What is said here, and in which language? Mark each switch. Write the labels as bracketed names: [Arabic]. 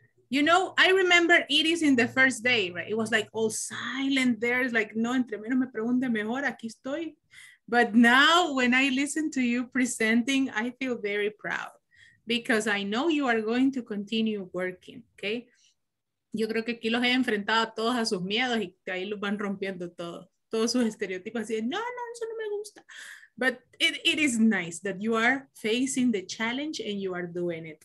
[English] You know, I remember Iris in the first day, right? It was like all silent there. It's like, no, [Spanish] entre menos me pregunte mejor, aquí estoy. [English] But now when I listen to you presenting, I feel very proud because I know you are going to continue working, okay? [Spanish] Yo creo que aquí los he enfrentado a todos a sus miedos y que ahí los van rompiendo todos. Todos sus estereotipos así de, no, no, eso no me gusta. [English] But it is nice that you are facing the challenge and you are doing it.